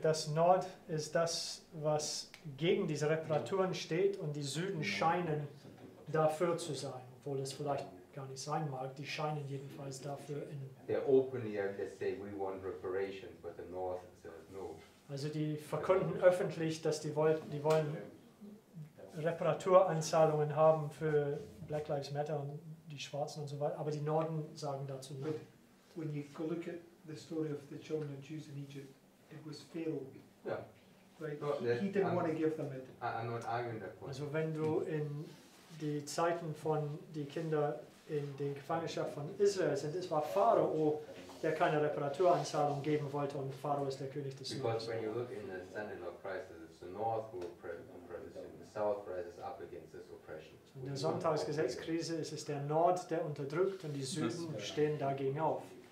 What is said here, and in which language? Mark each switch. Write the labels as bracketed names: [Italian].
[German] Das Nord ist das, was gegen diese Reparaturen steht, und die Süden scheinen dafür zu sein, obwohl es vielleicht gar nicht sein mag. Die scheinen jedenfalls dafür in. [English] They openly say we want reparations, but the North says no. [German] Also die verkünden öffentlich, dass die wollen Reparaturanzahlungen haben für Black Lives Matter und die Schwarzen und so weiter. Aber die Norden sagen dazu nein. [English] When you go look at the story of the children of Jews in Egypt, it was failed. Yeah. Right. He didn't want to give them it. I'm not arguing that point. [German] Also wenn du in die Zeiten von die Kinder in den Gefangenschaft von Israel sind, es war Pharao, der keine Reparaturanzahlung geben wollte, und Pharao ist der König des Südens. [English] Because when you look in the Sentinel Crisis, it's the North who oppresses, and the South rises up against this oppression. [German] In der Sonntagsgesetzkrise ist es der Nord, der unterdrückt, und die Süden stehen dagegen auf.